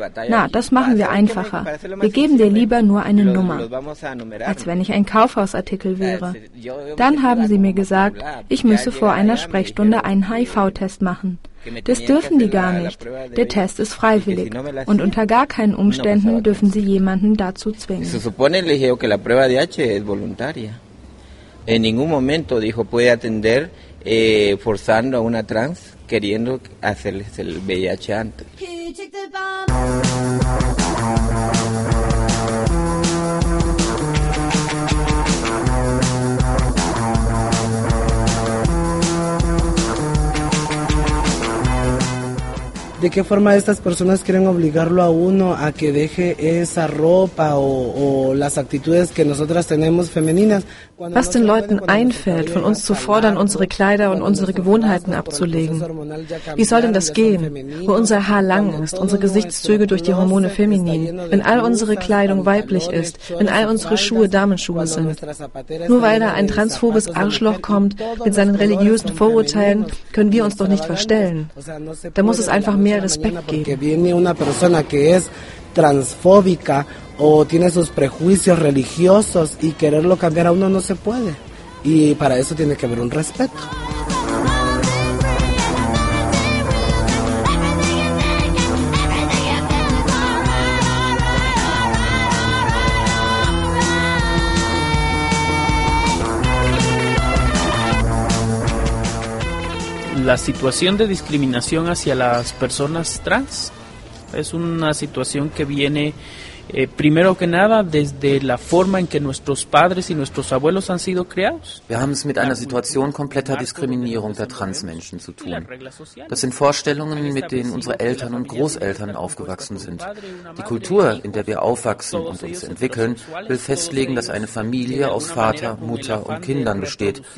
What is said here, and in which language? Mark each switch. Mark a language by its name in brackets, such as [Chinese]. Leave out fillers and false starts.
[German] Na, das machen wir einfacher. Wir geben dir lieber nur eine Nummer, als wenn ich ein Kaufhausartikel wäre. Dann haben sie mir gesagt, ich müsse vor einer Sprechstunde einen HIV-Test machen. Das dürfen die gar nicht. Der Test ist freiwillig. Und unter gar keinen Umständen dürfen sie jemanden dazu zwingen. [Spanish] Se supone, le dije, que la prueba de H es voluntaria. En ningún momento dijo, puede atender forzando a una trans, queriendo hacerles el VIH antes. ¿De qué forma estas personas quieren obligarlo a uno a que deje esa ropa o las actitudes que nosotras tenemos femeninas? [German] Was den Leuten einfällt, von uns zu fordern, unsere Kleider und unsere Gewohnheiten abzulegen. Wie soll denn das gehen, wo unser Haar lang ist, unsere Gesichtszüge durch die Hormone feminin, wenn all unsere Kleidung weiblich ist, wenn all unsere Schuhe Damenschuhe sind? Nur weil da ein transphobes Arschloch kommt mit seinen religiösen Vorurteilen, können wir uns doch nicht verstellen. Da muss es einfach mehr Respekt geben. [Spanish] O tiene sus prejuicios religiosos y quererlo cambiar a uno no se puede. y para eso tiene que haber un respeto. La situación de discriminación hacia las personas trans es una situación que viene primero que nada desde la forma en que nuestros padres y nuestros abuelos han sido creados. [German] Wir haben es mit einer Situation kompletter Diskriminierung der Transmenschen zu tun. Das sind Vorstellungen, mit denen unsere Eltern und Großeltern aufgewachsen sind. Die Kultur, in der wir aufwachsen und uns entwickeln, will festlegen, dass eine Familie aus Vater, Mutter und Kindern besteht.